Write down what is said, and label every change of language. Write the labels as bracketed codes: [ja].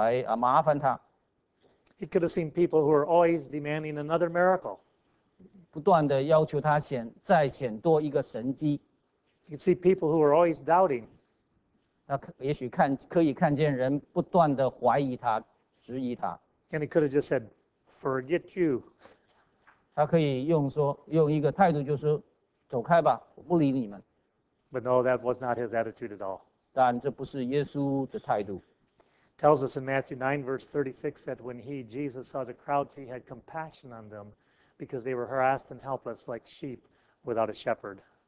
[zh] 耶稣看世人的时候，他看见了什么呢？他也许可以看到人不停的骚扰他，不断的来麻烦他。 [en] He could have seen people who are always demanding another miracle. [zh] 不断的要求他再显多一个神迹。 [en] He could see people who are always doubting. [zh] 他也许可以看见人不断的怀疑他，质疑他。 [en] And he could have just said, "Forget you." [zh] 他可以用一个态度，就是走开吧，我不理你们。 [en] But no, that was not his attitude at all. [zh] 但这不是耶稣的态度。 [en] Tells us in Matthew 9, verse 36, that when he, Jesus, saw the crowds, he had compassion on them because they were harassed and helpless like sheep without a shepherd.